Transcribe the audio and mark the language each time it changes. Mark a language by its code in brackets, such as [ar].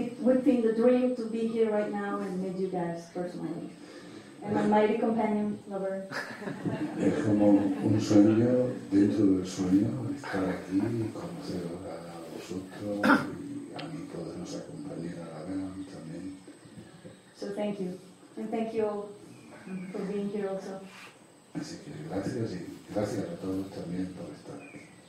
[en] We've been the dream to be here right now and meet you guys personally. And my mighty companion, Laverne. [es] Es como un sueño dentro del sueño, estar aquí y conocer a vosotros y a mí podernos acompañar a Laverne también. [en] So thank you. And thank you all for being here also. [es] Así que gracias y gracias a todos también por estar aquí.